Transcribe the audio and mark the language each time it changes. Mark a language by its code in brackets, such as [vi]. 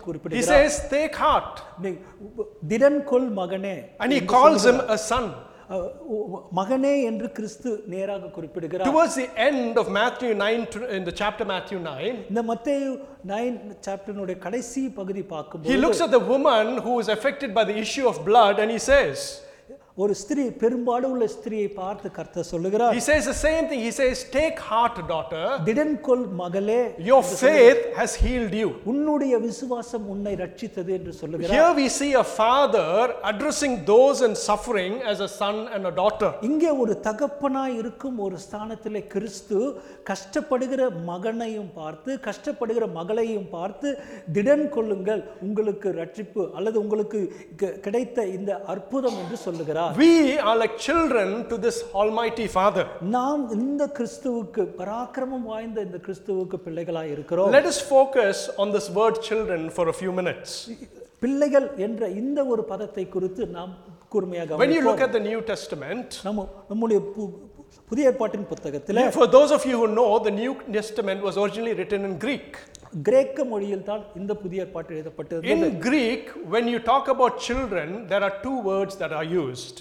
[ta] குறிப்பிடுகிறார் [en] He says take heart [ta] திடம்கொள் மகனே [en] And he calls him a son [ta] மகனே என்று கிறிஸ்து நேராக குறிப்பிடுகிறார் [en] Towards the end of Matthew 9 in the chapter Matthew 9 [ta] இந்த மத்தேயு 9 சாப்டரினுடைய கடைசி பகுதி பார்க்கும்போது [en] He looks at the woman who is affected by the issue of blood and he says [ta] ஒரு ஸ்திரீ பெரும்பாடு உள்ள ஸ்திரியை பார்த்து கர்த்தர் சொல்கிறார் [en] He says the same thing he says take heart daughter [ta] திடன்கொள் மகளே [en] your faith has healed you [ta] உன்னுடைய விசுவாசம் உன்னை ரட்சித்தது என்று சொல்கிறார் [en] Here we see a father addressing those in suffering as a son and a daughter [ta] இங்கே ஒரு தகப்பனாய் இருக்கும் ஒரு ஸ்தானத்திலே கிறிஸ்து கஷ்டப்படுகிற மகனையும் பார்த்து கஷ்டப்படுகிற மகளையும் பார்த்து திடன்கொள்ளுங்கள் உங்களுக்கு ரட்சிப்பு அல்லது உங்களுக்கு கிடைத்த இந்த அற்புதம் என்று சொல்கிறார் [en] We are like children to this almighty father. [ta] நாம் இந்த கிறிஸ்துவுக்கு பராக்கிரமம் வாய்ந்த இந்த கிறிஸ்துவுக்கு பிள்ளைகளாய் இருக்கிறோம். [en] Let us focus on this word children for a few minutes. [ta] பிள்ளைகள் என்ற இந்த ஒரு பதத்தை குறித்து நாம் கூர்மையாக [en] When you look at the New Testament, [ta] நம்முடைய புதிய ஏற்பாட்டின் புத்தகத்திலே [en] For those of you who know the New Testament was originally written in Greek. [ta] கிரேக்க மொழியில் தான் இந்த புதிய ஏற்பாட்டு எழுதப்பட்டிருந்தது. [en] In Greek, when you talk about children, there are two words that are used.